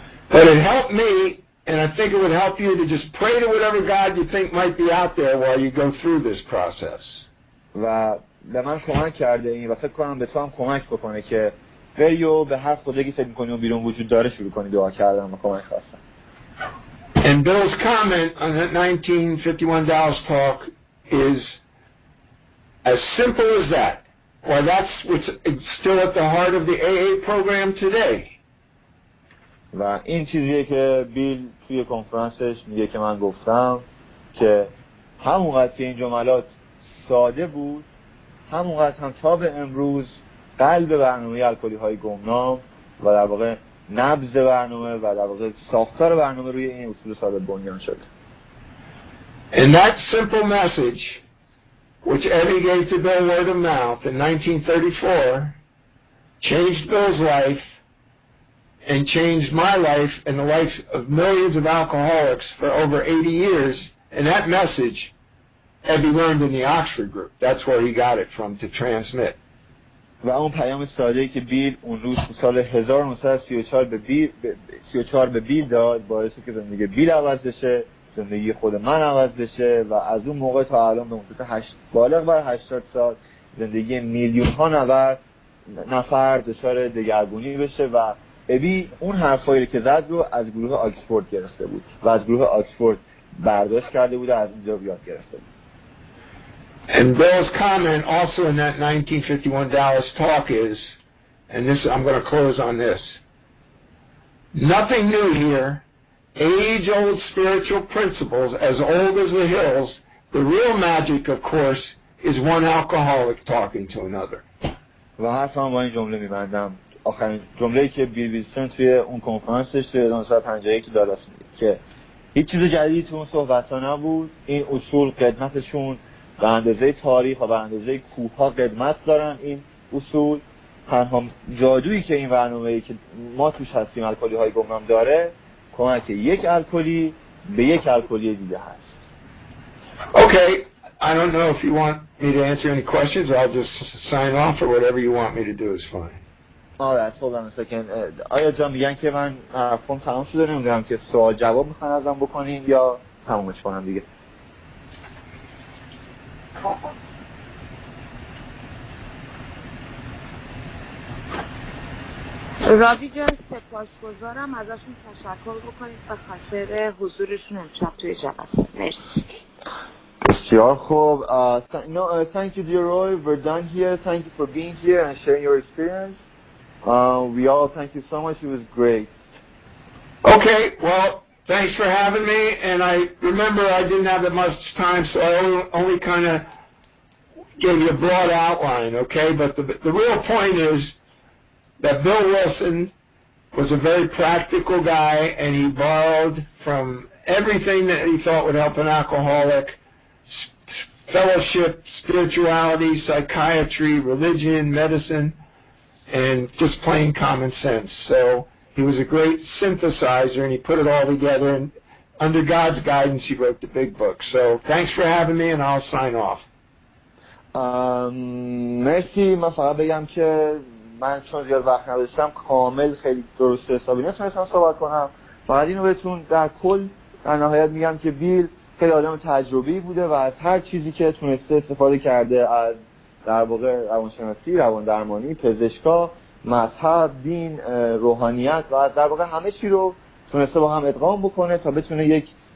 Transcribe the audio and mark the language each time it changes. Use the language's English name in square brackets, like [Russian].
[English] But it helped me, and I think it would help you to just pray to whatever God you think might be out there while you go through this process. [Persian] و به من کمک کرده این و فکر کنم به تو هم کمک بکنه که بری و به هر خدایی که فکر میکنی و بیرون وجود داره شروع کنی دعا کردن و کمک خواستن. [English] And Bill's comment on that 1951 Dallas talk is as simple as that. Well, that's what's still at the heart of the AA program today. [Persian] و این چیزیه که بیل توی کنفرانسش میگه که من گفتم که همونقدر که این جملات ساده بود، همونقدر هم تا به امروز قلب برنامه الکلی های گمنام و در واقع نبض برنامه و در واقع ساختار برنامه روی این اصول ساده بنیان شد. [English] And that simple message which Eddie gave to Bill word of mouth in 1934 changed Bill's life and changed my life and the life of millions of alcoholics for over 80 years. And that message Eddie learned in the Oxford group. That's where he got it from to transmit. [Persian] و اون پیام ساده‌ای که بیل اون روز سال 1934 به بیل 34 به بیل داد باعث شد که زندگی بیل عوض بشه، زندگی خود من عوض بشه و از اون موقع تا الان به مدت 8 بالغ بر 80 سال زندگی میلیون ها نفر دچار دگرگونی بشه. و ابی اون حرفایی که زد رو از گروه آکسفورد گرفته بود و از گروه آکسفورد برداشت کرده بود و از اینجا یاد گرفته بود. [English] And Bill's comment also in that 1951 Dallas talk is, and this I'm going to close on this, nothing new here, age-old spiritual principles as old as the hills, the real magic, of course, is one alcoholic talking to another. [Persian] و حرف هم با این جمله می‌بندم. آخرین جمله‌ای که بیل ویلسون توی اون کنفرانسش توی 1951 که دالاس میگه که هیچ چیز جدید توی اون صحبت‌ها نبود، این اصول قدمتشون به اندازه تاریخ و به اندازه کوه ها قدمت دارن. این اصول تنها جادویی که این برنامه‌ای که ما توش هستیم الکلی های گمنام داره کمک یک الکلی به یک الکلی دیگه هست. [English] Okay, I don't know if you want me to answer any questions or I'll just sign off or whatever you want me to do is fine. All right, hold on a second. [Persian] آیا جان میگن که من حرفم تمام شده؟ نمیدونم که سوال جواب میخوان ازم بکنین یا تمومش کنم دیگه. رادی جان سپاسگزارم، ازشون تشکر بکنید به خاطر حضورشون امشب توی جلسه. مرسی. بسیار خوب. [English] Thank you dear Roy, we're done here. Thank you for being here and sharing your experience. We all thank you so much. It was great. Okay, well, thanks for having me and I remember I didn't have that much time so I only kind of gave you a broad outline, okay? But the real point is that Bill Wilson was a very practical guy and he borrowed from everything that he thought would help an alcoholic, fellowship, spirituality, psychiatry, religion, medicine, and just plain common sense. So he was a great synthesizer and he put it all together and under God's guidance he wrote the big book. So thanks for having me and I'll sign off. [Persian] مرسی. من فقط بگم که من چون زیاد وقت نداشتم کامل خیلی درست حسابی نتونستم صحبت کنم، فقط اینو بهتون در کل در نهایت میگم که بیل خیلی آدم تجربی بوده و از هر چیزی که تونسته استفاده کرده، از در واقع روانشناسی، روان درمانی، پزشکا، مذهب، دین، روحانیت و در واقع همه چی رو تونسته با هم ادغام بکنه تا بتونه یک